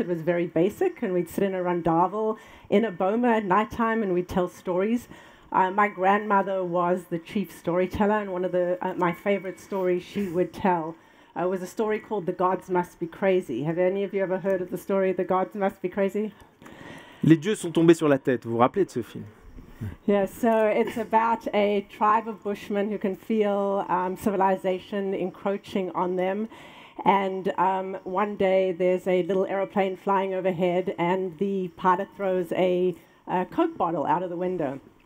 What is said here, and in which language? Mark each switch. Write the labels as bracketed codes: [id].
[en] It was very basic, and we'd sit in a rondavel in a Boma at nighttime, and we'd tell stories. My grandmother was the chief storyteller, and one of the my favorite stories she would tell was a story called The Gods Must Be Crazy. Have any of you ever heard of the story The Gods Must Be Crazy? [fr] Les dieux sont tombés sur la tête. Vous vous rappelez de ce film? [en] Yeah, so it's about a tribe of bushmen who can feel civilization encroaching on them. And one day there's a little aeroplane flying overhead and the pilot throws a Coke bottle out of the window.